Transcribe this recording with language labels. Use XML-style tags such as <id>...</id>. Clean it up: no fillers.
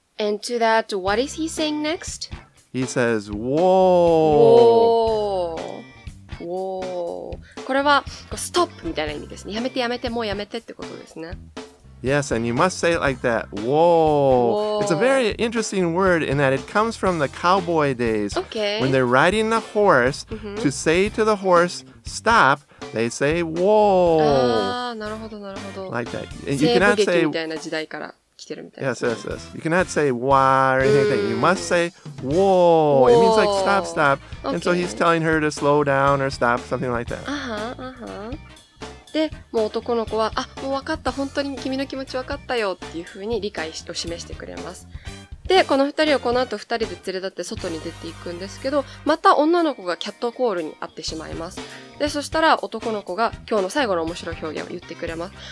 <en>And to that, what is he saying next? He says, whoa. Whoa. Whoa.</en> <ja>これは、stop みたいな意味ですね。やめてやめて、もうやめてってことですね。</ja> <en>Yes, and you must say it like that. Whoa. It's a very interesting word in that it comes from the cowboy days. Okay. When they're riding the horse,、 mm-hmm. to say to the horse, stop. They say, whoa!</en> <ja>なるほど、なるほど。</ja> <en>Like that. You cannot say...</en> <ja>西部劇みたいな時代から来てるみたいな。</ja> <en>Yes, yes, yes. You cannot say, why or anything. You must say, whoa! It means like, stop, stop. Okay. And so he's telling her to slow down or stop, something like that.</en> <ja>で、もう男の子は、あ、もう分かった、本当に君の気持ち分かったよっていうふうに理解を示してくれます。で、この二人をこの後二人で連れ立って外に出ていくんですけど、また女の子がキャットコールに会ってしまいます。で、そしたら男の子が今日の最後の面白い表現を言ってくれます。</ja>